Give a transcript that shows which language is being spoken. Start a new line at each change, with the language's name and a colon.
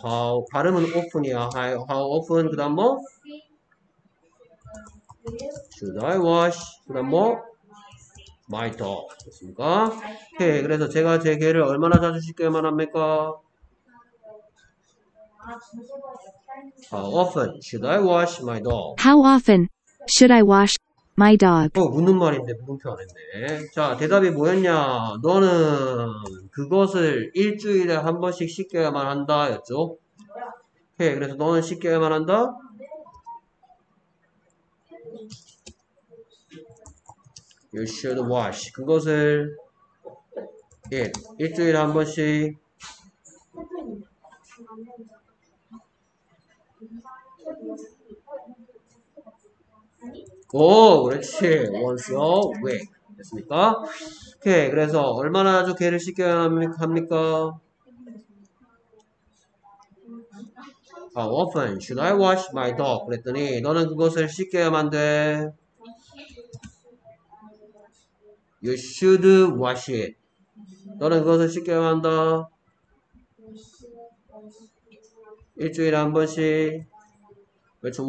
Korean: How, 발음은 open이야.
English: How often?
Korean: 그 다음 뭐?
English: Should I wash?
Korean: 그 다음 뭐?
English: My dog. 됐습니까? 오케이.
Korean: 그래서 제가 제 개를 얼마나 자주 씻겨야만 합니까?
English: How often should I wash my dog? How often should I wash my dog?
Korean: 묻는 말인데 물음표 안 했네. 자, 대답이 뭐였냐? 너는 그것을 일주일에 한 번씩 씻겨야만 한다였죠? 오케이. 그래서 너는 씻겨야만 한다? 유 슈드 와시 그것을 예 일주일에 한 번씩 오 그렇지
English: once a week
Korean: 됐습니까? 오케이 그래서 얼마나 자주 개를 씻겨야 합니까?
English: How often should I wash my dog?
Korean: 그랬더니 너는 그것을 씻겨야만 돼.
English: You should wash it.
Korean: 너는 그것을 씻겨야 한다. 일주일에 한 번씩. 그렇죠.